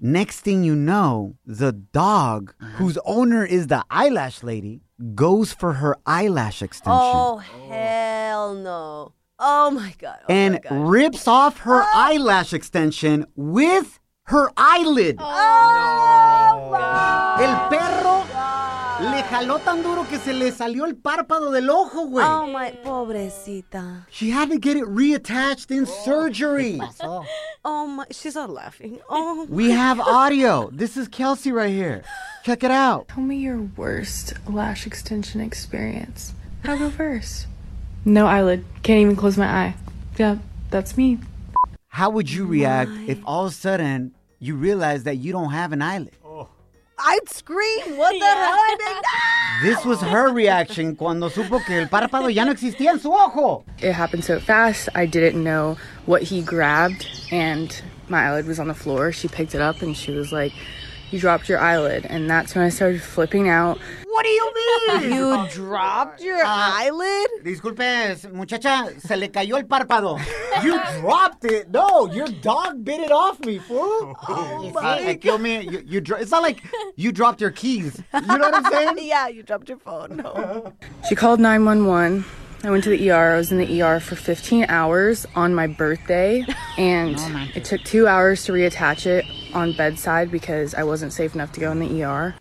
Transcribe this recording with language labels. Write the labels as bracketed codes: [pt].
[en] Next thing you know, the dog, whose owner is the eyelash lady, goes for her eyelash extension. Oh, hell no. Oh, my God. Oh, and my God. Rips off her eyelash extension with her eyelid. Oh, no. Oh, [es] el perro le jaló tan duro que se le salió el párpado del ojo, güey. [en] Oh, my [es] pobrecita. [en] She had to get it reattached in surgery. Oh, my. She's all laughing. Oh, we have audio. This is Kelsey right here. Check it out. Tell me your worst lash extension experience. I'll go first. No eyelid. Can't even close my eye. Yeah, that's me. How would you react if all of a sudden you realize that you don't have an eyelid? Oh. I'd scream, what the hell? I'd be like, no! This was her reaction [es] cuando supo que el párpado ya no existía en su ojo. [en] It happened so fast, I didn't know what he grabbed, and my eyelid was on the floor. She picked it up, and she was like, you dropped your eyelid, and that's when I started flipping out. What do you mean? You dropped your eyelid? [es] Disculpe, muchacha, se le cayó el párpado. [en] You dropped it? No, your dog bit it off me, fool. It's not like you dropped your keys. You know what I'm saying? Yeah, you dropped your phone. No. She called 911. I went to the ER. I was in the ER for 15 hours on my birthday, and it took 2 hours to reattach it on bedside because I wasn't safe enough to go in the ER.